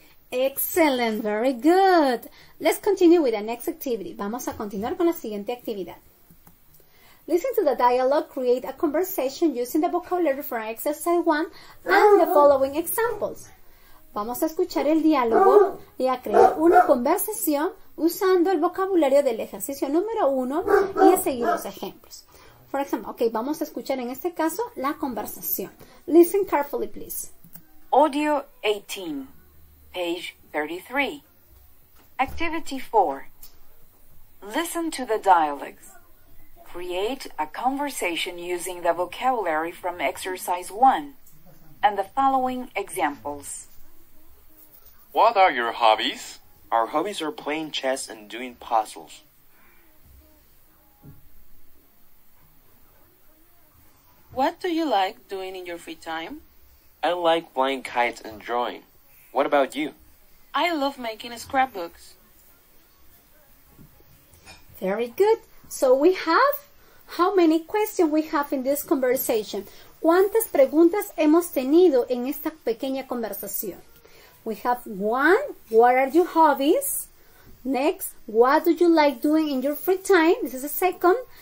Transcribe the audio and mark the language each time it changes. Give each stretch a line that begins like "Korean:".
English: Excellent. Very good. Let's continue with the next activity.
Spanish: Vamos a continuar con la siguiente actividad.
English: Listen to the dialogue, create a conversation using the vocabulary from exercise 1 and the following examples.
Spanish: Vamos a escuchar el diálogo y a crear una conversación usando el vocabulario del ejercicio número 1 y a seguir los ejemplos.
English: For example,
Spanish: okay, vamos a escuchar en este caso la conversación.
English: Listen carefully, please. Audio 18, page 33. Activity 4. Listen to the dialogues. Create a conversation using the vocabulary from exercise 1 and the following examples. What are your hobbies? Our hobbies are playing chess and doing puzzles. What do you like doing in your free time? I like flying kites and drawing. What about you? I love making scrapbooks. Very good. So we have, how many questions we have in this conversation?
Spanish: ¿Cuántas preguntas hemos tenido en esta pequeña conversación?
English: We have one, what are your hobbies? Next, what do you like doing in your free time? This is the second.